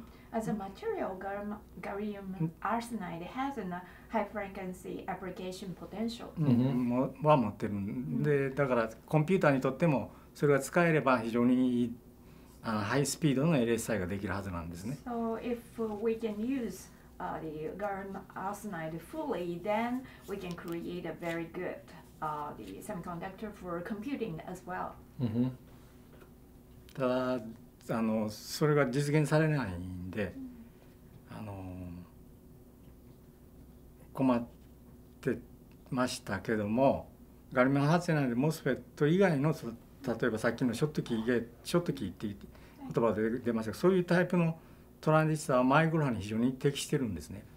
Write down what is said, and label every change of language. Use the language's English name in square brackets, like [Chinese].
[English] As a material, gallium arsenide has a high frequency application potential. [Japanese] は持ってるんで、だからコンピューターにとってもそれが使えれば非常にハイスピードの LSI ができるはずなんですね。 [English] So if we can use the gallium arsenide fully, then we can create a very good the semiconductor for computing as well. [Japanese] ただ、あの、それが実現されないんで、あの、困ってましたけども、ガリウムハーツなので、MOSFET 以外の、例えばさっきのショットキーって言って言葉で出ましたが、そういうタイプのトランジスタはマイクロ波に非常に適してるんですね。